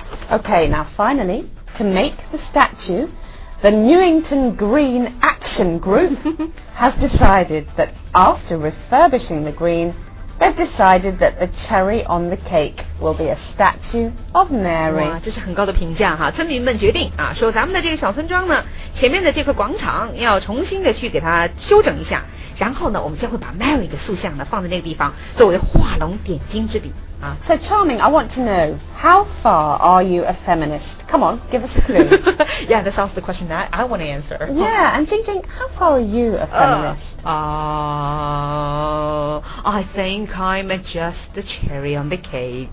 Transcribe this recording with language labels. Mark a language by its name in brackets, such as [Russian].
[English] Okay, now finally, to make the statue, the Newington Green Action Group has decided that after refurbishing the green. They've decided that the cherry on the cake will be a statue of Mary. [Chinese] 哇，这是很高的评价哈！村民们决定啊，说咱们的这个小村庄呢，前面的这个广场要重新的去给它修整一下，然后呢，我们将会把 Mary 的塑像呢放在那个地方，作为画龙点睛之笔啊。 [English] So charming, I want to know how far are you a feminist? Come on, give us a clue. Yeah, that's also the question that I want to answer. Yeah, and Jing Jing, how far are you a feminist? I think I'm just the cherry on the cake.